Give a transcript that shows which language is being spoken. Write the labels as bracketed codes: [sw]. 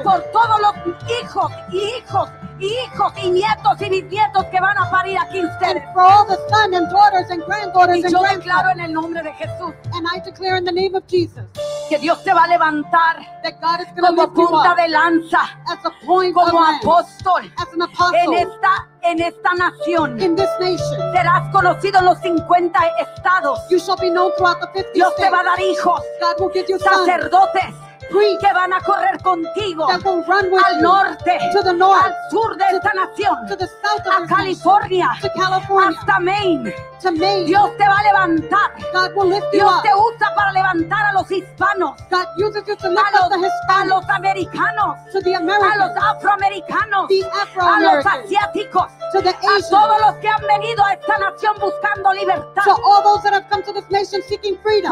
[es] Y por todos los hijos y hijos y hijos y nietos y bisnietos que van a parir aquí ustedes. [en] For all the sons and daughters and granddaughters and grandchildren. [es] Y yo declaro en el nombre de Jesús. [en] And I declare in the name of Jesus. [es] Que Dios te va a levantar. [en] That God is going to lift you up. [es] Como punta de lanza. [en] As a point of [es] lance. Como apóstol. [en] As an apostle. [es] En esta nación. [en] In this nation. [es] Serás conocido en los 50 estados. [en] You shall be known throughout the 50 states. [es] Dios te va a dar hijos. [en] God will give you sons. [es] Sacerdotes. [en] Preach. [es] Que van a correr contigo al norte, [en] to the north, [es] al sur de esta nación, [en] to the south of [es] a California, [en] to California, [es] hasta Maine. [en] To Maine. [es] Dios te va a levantar. [en] God will lift [es] Dios [en] you up. [es] Te usa para levantar a los hispanos, [en] God uses you to lift [es] a, los, [en] up the Hispanics, [es] a los americanos, [en] to the Americans, [es] a los afroamericanos, [en] the Afro-Americans, [es] a los asiáticos, [en] to the Asians, [es] a todos los que han venido a esta nación buscando libertad. [en] To all those that have come to this nation seeking freedom.